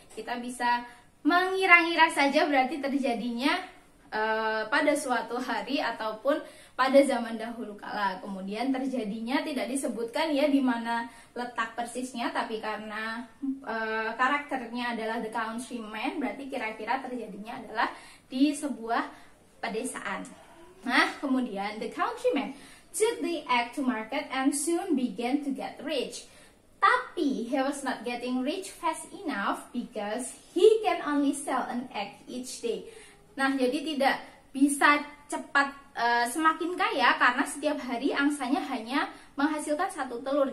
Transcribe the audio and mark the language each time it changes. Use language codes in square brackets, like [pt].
[id] Kita bisa mengira-ngira saja berarti terjadinya pada suatu hari ataupun pada zaman dahulu kala. Kemudian terjadinya tidak disebutkan ya di mana letak persisnya, tapi karena karakternya adalah the countryman, berarti kira-kira terjadinya adalah di sebuah pedesaan. Nah, kemudian [en] the countryman took the egg to market and soon began to get rich. [id] Tapi [en] he was not getting rich fast enough because he can only sell an egg each day. [id] Nah, jadi tidak bisa cepat semakin kaya karena setiap hari angsanya hanya menghasilkan satu telur.